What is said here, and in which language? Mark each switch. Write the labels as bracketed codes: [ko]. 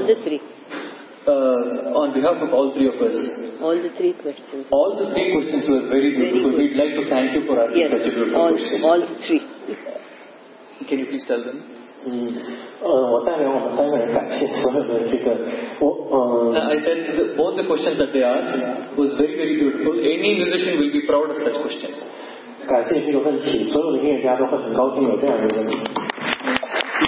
[en] On behalf of all three of us, all the three questions. All the three questions were very beautiful. We'd like to thank you for asking yes, such a beautiful question. All the three. Can you please tell them? [zh] 我代表我们三个人感谢所有的这个。 [en] I said both the questions that they asked was very, very beautiful. Any musician will be proud of such questions. [zh] 感谢这个问题，所有的音乐家都会很高兴有这样的问题。